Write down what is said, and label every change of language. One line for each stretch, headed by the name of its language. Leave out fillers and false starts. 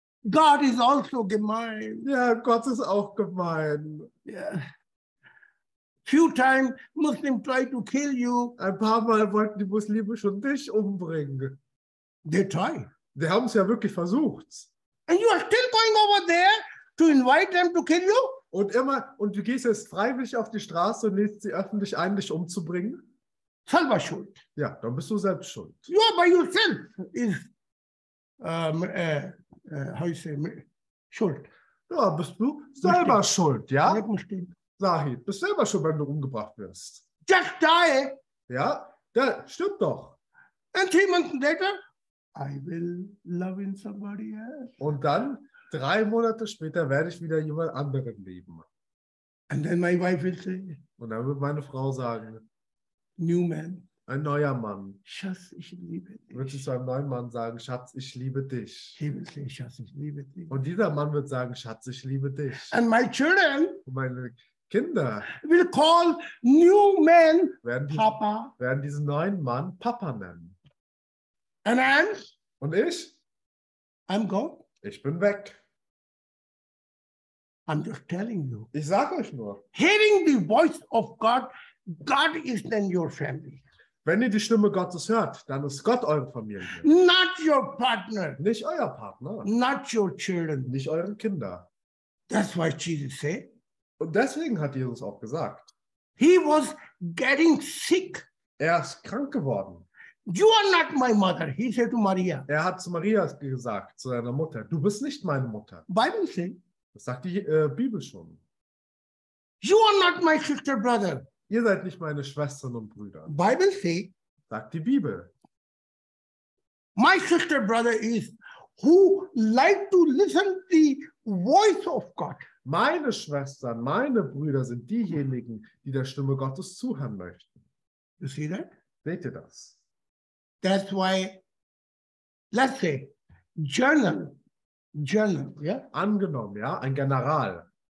English: God is also gemein.
German: Ja, yeah, Gott ist auch gemein.
English: Yeah. Few times Muslim try to kill you.
German: Ein paar Mal wollten die Muslime schon dich umbringen.
English: They try.
German: Die haben es ja wirklich versucht.
English: And you are still going over there to invite them to kill you?
German: Und immer, und du gehst jetzt freiwillig auf die Straße und lädst sie öffentlich ein, dich umzubringen? Selber schuld. Ja, dann bist du selbst schuld.
English: You are by yourself. Is, how you say, schuld.
German: Ja, bist du selber stehen. Schuld, ja? Bleiben stehen. Sahid, bist selber schuld, wenn du umgebracht wirst.
English: Just die.
German: Ja, da, stimmt doch.
English: And 3 months later, I will love in somebody else.
German: Und dann, 3 Monate später, werde ich wieder jemand anderen lieben.
English: And then my wife will say.
German: Und dann wird meine Frau sagen.
English: New man.
German: Ein neuer Mann. Schatz, ich liebe dich. Wird sie zu einem neuen Mann sagen, Schatz, ich liebe dich. Schatz, ich liebe dich. Und dieser Mann wird sagen, Schatz, ich liebe dich.
English: And my children.
German: Und meine Kinder.
English: Will call new man Papa.
German: Werden diesen neuen Mann Papa nennen.
English: And I'm.
German: Und ich?
English: I'm gone.
German: Ich bin weg.
English: I'm just telling you.
German: Ich sage euch nur.
English: Hearing the voice of God, God is then your family.
German: Wenn ihr die Stimme Gottes hört, dann ist Gott eure Familie.
English: Not your partner.
German: Nicht euer Partner.
English: Not your children.
German: Nicht euren Kinder.
English: That's why Jesus said.
German: Und deswegen hat Jesus auch gesagt.
English: He was getting sick.
German: Er ist krank geworden.
English: You are not my mother, he said to Maria.
German: Er hat zu Maria gesagt, zu seiner Mutter, du bist nicht meine Mutter.
English: Bible saying.
German: Das sagt die Bibel schon.
English: You are not my sister, brother.
German: Ihr seid nicht meine Schwestern und Brüder.
English: Bible say.
German: Sagt die Bibel.
English: My sister, brother is who like to listen to the voice of God.
German: Meine Schwestern, meine Brüder sind diejenigen, die der Stimme Gottes zuhören möchten.
English: You see that?
German: Seht ihr das?
English: That's why, let's say, journal, yeah?
German: Angenommen, ja, ein General.